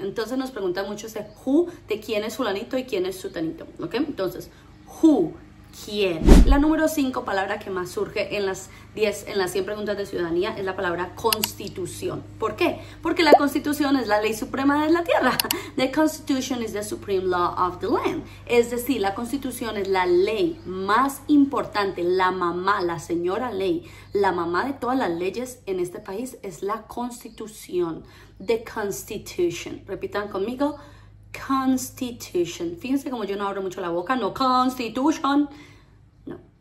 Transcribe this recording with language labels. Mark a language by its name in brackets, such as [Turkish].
[Spanish] Entonces nos preguntan mucho ese who, de quién es fulanito y quién es sutanito, ¿ok? Entonces, who. ¿Quién? La número 5 palabra que más surge en las 10, en las 100 preguntas de ciudadanía es la palabra constitución. ¿Por qué? Porque la constitución es la ley suprema de la tierra. [English] The constitution is the supreme law of the land. [Spanish] Es decir, la constitución es la ley más importante, la mamá, la señora ley, la mamá de todas las leyes en este país es la constitución. [English] The constitution. [Spanish] Repitan conmigo. [English] Constitution. [Spanish] Fíjense como yo no abro mucho la boca. No, constitution. No.